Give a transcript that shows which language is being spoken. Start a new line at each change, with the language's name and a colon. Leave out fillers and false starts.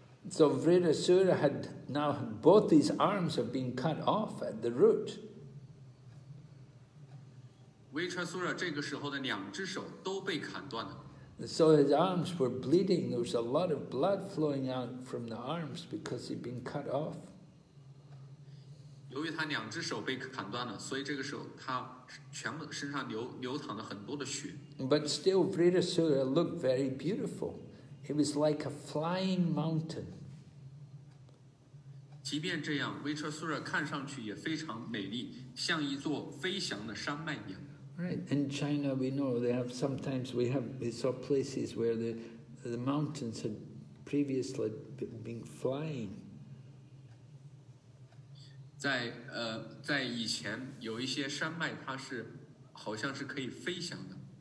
English: So Vritasura had now both his arms have been cut off at the root.
Chinese: Vritasura 这个时候的两只手都被砍断了。
English: So his arms were bleeding. There was a lot of blood flowing out from the arms because he'd been cut off.
Chinese: 由于他两只手被砍断了，所以这个时候他全部身上流淌了很多的血。
English: But still, Vritasura looked very beautiful. He was like a flying mountain.
Chinese: 即便这样 ，Vritasura 看上去也非常美丽，像一座飞翔的山脉一样。
English: Right. In China, we know they have sometimes we saw places where the mountains had previously been flying.
Chinese: 在以前有一些山脉它是好像是可以飞翔的。